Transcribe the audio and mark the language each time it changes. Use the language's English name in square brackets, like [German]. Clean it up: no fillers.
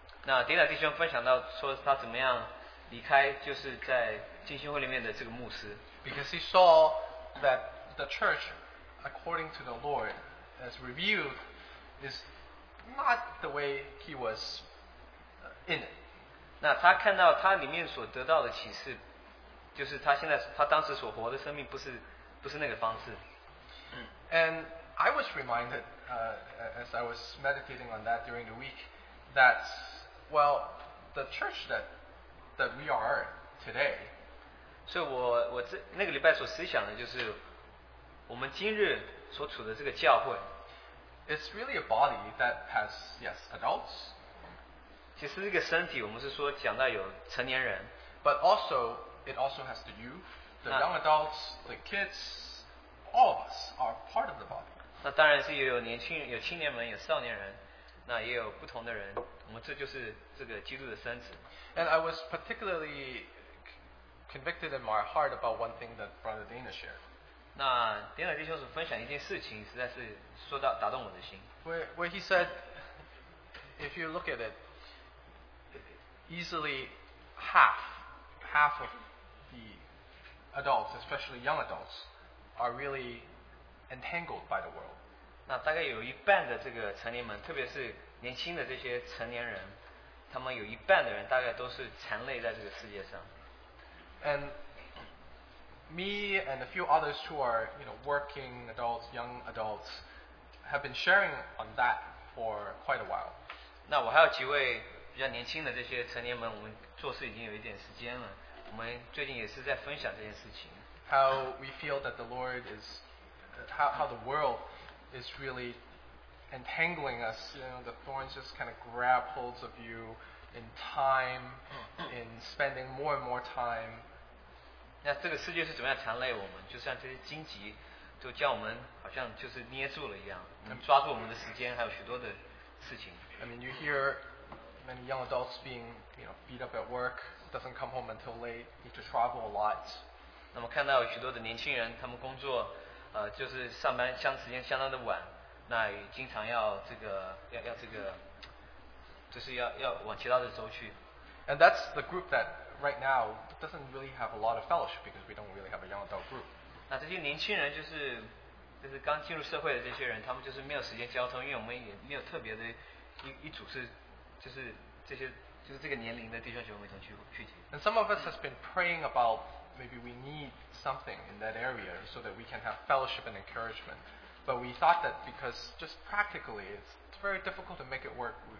[Chinese] 那 Dana 弟兄分享到说他怎么样离开，就是在浸信会里面的这个牧师。 [English] Because he saw that the church, according to the Lord, as revealed, is not the way he was in it. [Chinese] 那他看到他里面所得到的启示，就是他现在他当时所活的生命不是那个方式。 [English] And I was reminded, as I was meditating on that during the week, that well, the church that we are today. [Chinese] 所以我那个礼拜所思想的就是我们今日所处的这个教会。 [English] It's really a body that has, yes, adults. [Chinese] 其实这个身体我们是说讲到有成年人。 [English] But also, it also has the youth, the young adults, the kids, all of us are part of the body. [Chinese] 那当然是有年轻人，有青年人，有少年人，那也有不同的人，我们这就是这个基督的身子。 [English] And I was particularly convicted in my heart about one thing that Brother Dana shared. [Chinese] 那 Dana 弟兄所分享一件事情，实在是说到打动我的心。 [English] Where he said, if you look at it, easily half of the adults, especially young adults, are really entangled by the world. [Chinese] 那大概有一半的这个成年们，特别是年轻的这些成年人，他们有一半的人大概都是缠累在这个世界上。 [English] And me and a few others who are, you know, working adults, young adults, have been sharing on that for quite a while. [Chinese] 那我还有几位比较年轻的这些成年们，我们做事已经有一点时间了。我们最近也是在分享这件事情。 [English] How we feel that the Lord is, how the world is really entangling us. You know, the thorns just kind of grab holds of you. In time, in spending more and more time. [Chinese] 那这个世界是怎么样缠累我们？就像这些荆棘，都将我们好像就是捏住了一样，抓住我们的时间，还有许多的事情。 [English] I mean, you hear many young adults being, you know, beat up at work, doesn't come home until late, need to travel a lot. [Chinese] 那么看到许多的年轻人，他们工作，就是上班相时间相当的晚，那经常要这个要这个。就是要往其他的州去。 [English] And that's the group that right now doesn't really have a lot of fellowship because we don't really have a young adult group. [Chinese] 那这些年轻人就是刚进入社会的这些人，他们就是没有时间交通，因为我们也没有特别的一组是就是这些就是这个年龄的弟兄姐妹们去接。 [English] And some of us has been praying about maybe we need something in that area so that we can have fellowship and encouragement. But we thought that because just practically it's very difficult to make it work.